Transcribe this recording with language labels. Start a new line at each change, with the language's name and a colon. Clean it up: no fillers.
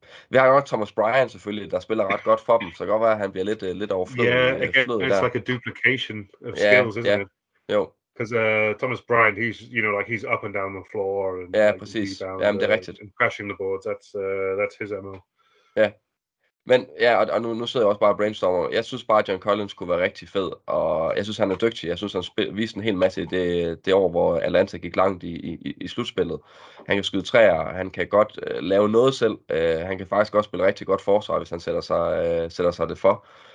Danish: vi har jo også Thomas Bryant selvfølgelig, der spiller ret godt for dem, så det kan godt være, at han bliver lidt overflødet.
English: Yeah, again, it's like a duplication of skills, isn't it?
Danish: Jo.
English: Because Thomas Bryant, he's, you know, like he's up and down the floor.
Danish: Ja,
English: like,
Danish: præcis. Ja, men det er rigtigt.
English: And crashing the boards, that's his MO.
Danish: Ja. Men ja, og nu sidder jeg også bare brainstormer. Jeg synes bare, at John Collins kunne være rigtig fed, og jeg synes, han er dygtig. Jeg synes, han viste en hel masse det år, hvor Atlanta gik langt i slutspillet. Han kan skyde træer, han kan godt lave noget selv. Han kan faktisk også spille rigtig godt forsvar, hvis han sætter sig det for.